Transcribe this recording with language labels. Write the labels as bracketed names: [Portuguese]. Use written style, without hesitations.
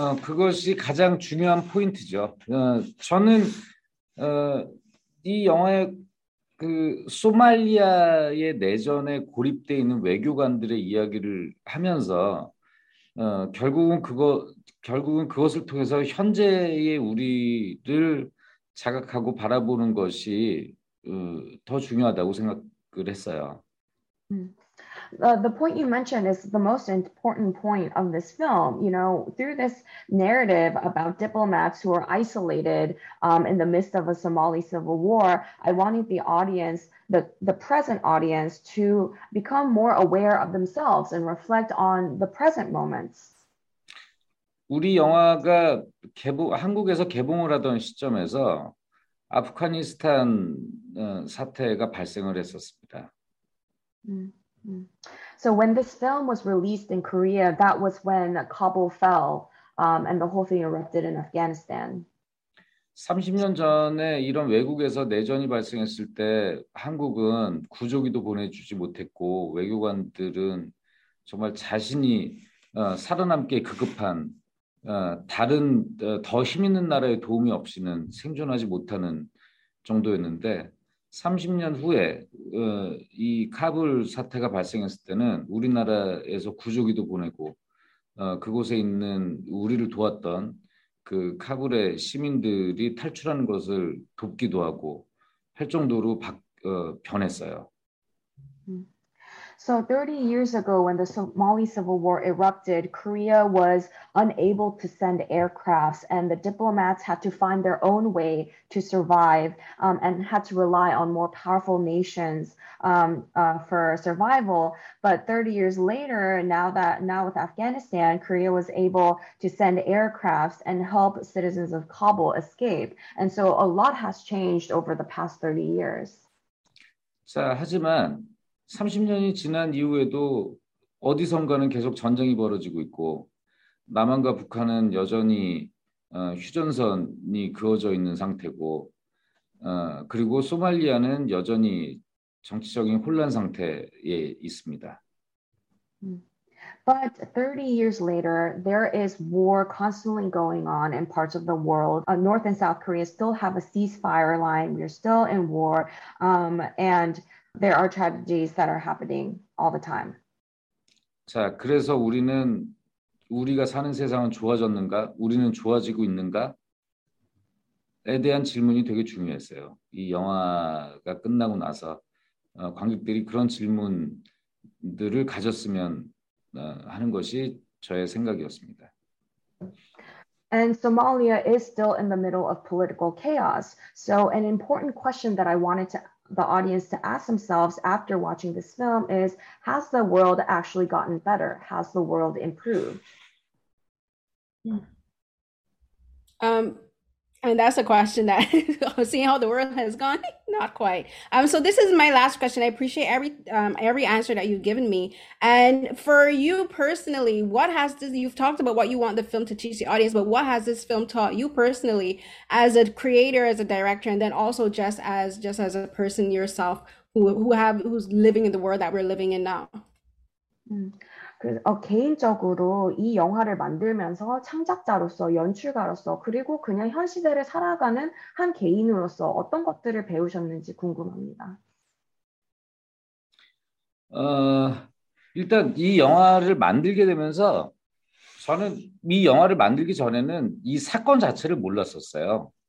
[Korean] 그것이 가장 중요한 포인트죠. 저는 이 영화의 그 소말리아의 내전에 고립돼 있는 외교관들의 이야기를 하면서 결국은 그것을 통해서 현재의 우리를 자각하고 바라보는 것이 더 중요하다고 생각을 했어요. [English] The point you mentioned is the most important point of this film. You know, through this narrative about diplomats who are isolated in the midst of a Somali civil war, I wanted the audience, the present audience, to become more aware of themselves and reflect on the present moments. [Korean] 우리 영화가 한국에서 개봉을 하던 시점에서 아프가니스탄 사태가 발생을 했었습니다. [English] So when this film was released in Korea, that was when Kabul fell, and the whole thing erupted in Afghanistan. [Korean] 30년 전에 이런 외국에서 내전이 발생했을 때 한국은 구조기도 보내주지 못했고 외교관들은 정말 자신이 살아남기에 급급한 다른 더힘 있는 나라의 도움이 없이는 생존하지 못하는 정도였는데 30년 후에 이 카불 사태가 발생했을 때는 우리나라에서 구조기도 보내고 그곳에 있는 우리를 도왔던 그 카불의 시민들이 탈출하는 것을 돕기도 하고 할 정도로 변했어요. [English] So 30 years ago, when the Somali Civil War erupted, Korea was unable to send aircrafts, and the diplomats had to find their own way to survive, and had to rely on more powerful nations for survival. But 30 years later, now with Afghanistan, Korea was able to send aircrafts and help citizens of Kabul escape. And so a lot has changed over the past 30 years. [Korean] 자, 하지만 30년이 지난 이후에도 어디선가는 계속 전쟁이 벌어지고 있고, 남한과 북한은 여전히 휴전선이 그어져 있는 상태고, 그리고 소말리아는 여전히 정치적인 혼란 상태에 있습니다. [English] But 30 years later, there is war constantly going on in parts of the world. North and South Korea still have a ceasefire line. We are still in war. And there are tragedies that are happening all the time. [Korean] 자, 그래서 우리가 사는 세상은 좋아졌는가? 우리는 좋아지고 있는가? 에 대한 질문이 되게 중요했어요. 이 영화가 끝나고 나서 관객들이 그런 질문들을 가졌으면 하는 것이 저의 생각이었습니다. [English] And Somalia is still in the middle of political chaos. So, an important question that I wanted to the audience to ask themselves after watching this film is, has the world actually gotten better? Has the world improved? And that's a question that seeing how the world has gone, not quite. So this is my last question. I appreciate every answer that you've given me. And for you personally, what has this, you've talked about what you want the film to teach the audience, but what has this film taught you personally as a creator, as a director, and then also just as a person yourself who's living in the world that we're living in now? [Korean] 개인적으로 이 영화를 만들면서 창작자로서, 연출가로서, 그리고 그냥 현 시대를 살아가는 한 개인으로서 어떤 것들을 배우셨는지 궁금합니다. 일단 이 영화를 만들게 되면서 저는 이 영화를 만들기 전에는 이 사건 자체를 몰랐었어요.